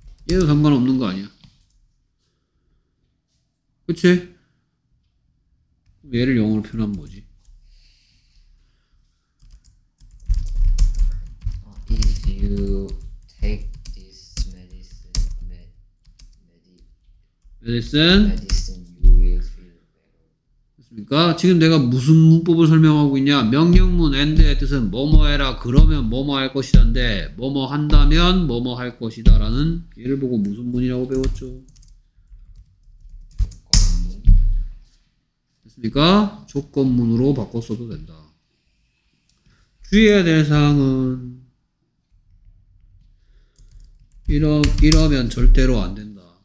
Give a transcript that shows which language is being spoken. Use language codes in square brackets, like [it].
[ko] 얘도 상관없는 거 아니야. 그치? 얘를 영어로 표현한 뭐지? [en] If you take this medicine, you will feel better. [ko] 그렇습니까? 지금 내가 무슨 문법을 설명하고 있냐? 명령문 and의 뜻은 뭐뭐 해라. 그러면 뭐뭐 할 것이다인데 뭐뭐 한다면 뭐뭐 할 것이다 라는 얘를 보고 무슨 문이라고 배웠죠? 그니까 조건문으로 바꿨어도 된다. 주의해야 될 사항은 이러면 절대로 안 된다.